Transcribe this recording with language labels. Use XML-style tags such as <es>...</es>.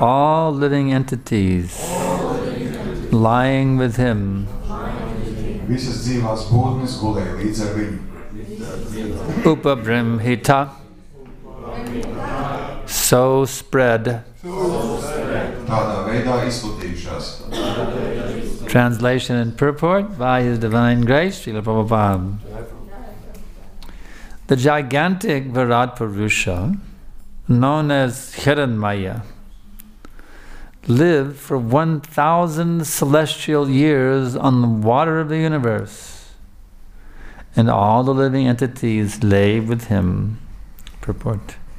<en>all living entities, lying with him.</en> <lv>Visas dzīvās būtnes gulēja līdz ar viņu.</lv> <en>Upabrimhita, so spread,</en> <lv>tādā veidā izplatījušās.</lv> <en>Translation and purport by His Divine Grace, Srila Prabhupada. The gigantic Virat Purusha, known as Hiranmaya, lived for 1,000 celestial years on the water of the universe, and all the living entities lay with him. Purport.</en>